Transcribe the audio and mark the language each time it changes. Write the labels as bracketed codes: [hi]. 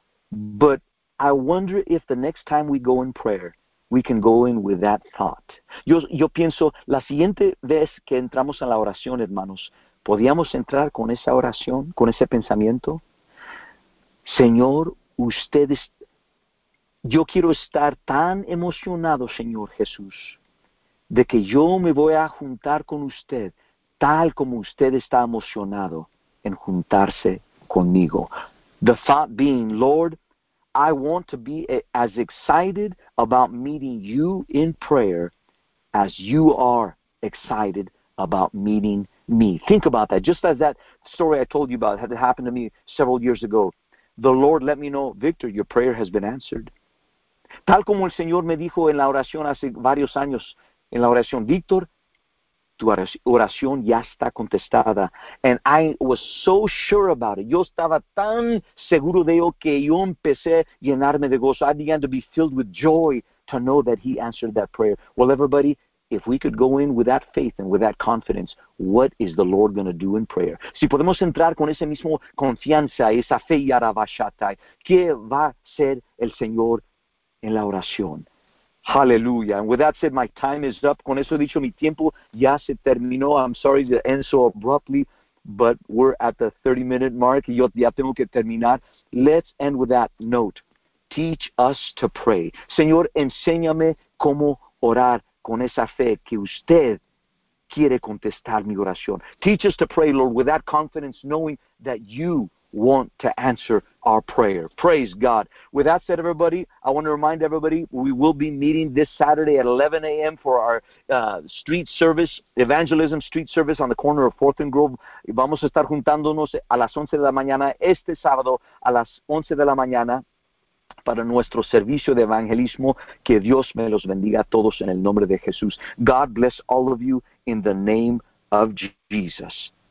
[en] But I wonder if the next time we go in prayer, we can go in with that thought. [es] Yo pienso, la siguiente vez que entramos a la oración, hermanos, ¿podíamos entrar con esa oración, con ese pensamiento? Señor, ustedes, yo quiero estar tan emocionado, Señor Jesús, de que yo me voy a juntar con usted tal como usted está emocionado en juntarse conmigo. [en] The thought being, Lord, I want to be as excited about meeting you in prayer as you are excited about meeting me. Think about that. Just as that story I told you about had happened to me several years ago. The Lord let me know, Victor, your prayer has been answered. [es] Tal como el Señor me dijo en la oración hace varios años, en la oración, Victor, tu oración ya está contestada. [en] And I was so sure about it. [es] Yo estaba tan seguro de ello que yo empecé a llenarme de gozo. [en] I began to be filled with joy to know that he answered that prayer. Well, everybody, if we could go in with that faith and with that confidence, what is the Lord going to do in prayer? [es] Si podemos entrar con esa misma confianza, esa fe y arabashatai, ¿qué va a ser el Señor en la oración? [en] Hallelujah. And with that said, my time is up. [es] Con eso dicho, mi tiempo ya se terminó. [en] I'm sorry to end so abruptly, but we're at the 30-minute mark. [es] Yo ya tengo que terminar. [en] Let's end with that note. Teach us to pray. [es] Señor, enséñame cómo orar con esa fe que usted quiere contestar mi oración. [en] Teach us to pray, Lord, with that confidence, knowing that you want to answer our prayer. Praise God. With that said, everybody, I want to remind everybody, we will be meeting this Saturday at 11 a.m. for our street service, evangelism street service on the corner of 4th and Grove. [es] Y vamos a estar juntándonos a las 11 de la mañana, este sábado a las 11 de la mañana, para nuestro servicio de evangelismo. Que Dios me los bendiga a todos en el nombre de Jesús. [en] God bless all of you in the name of Jesus.